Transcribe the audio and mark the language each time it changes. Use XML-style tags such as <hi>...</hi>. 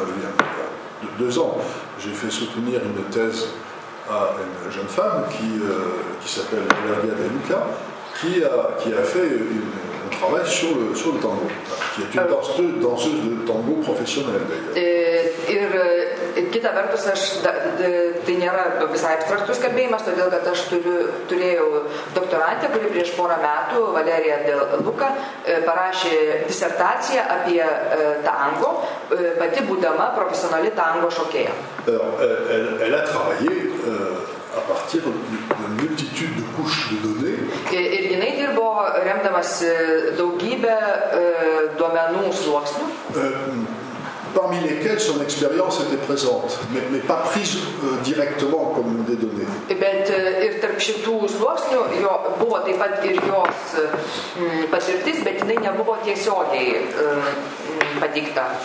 <fr>Mais je viens de deux ans, j'ai fait soutenir une thèse à une jeune femme qui s'appelle Claudia De Luca, qui a fait un travail sur le tango, qui est une danseuse de tango professionnelle d'ailleurs.</fr> <lt>Ir kita vertus, aš tai nėra visai abstraktus kalbėjimas, todėl kad aš turėjau doktorantę, kuri prieš porą metų, Valerija De Luca, parašė disertaciją apie tango, pati būdama profesionali tango šokėja.</lt> <fr>Elle a travaillé à partir d'une multitude de couches de données.</fr> <lt>Ir jinai dirbo remdamas daugybę duomenų sluoksnių.</lt> <fr>Parmi lesquels son expérience était présente, mais pas prise directement comme des données.</fr> <lt>Bet ir tarp šitų sluoksnių jo buvo taip pat ir jos patirtis, bet jinai nebuvo tiesiogiai pateikta.</lt>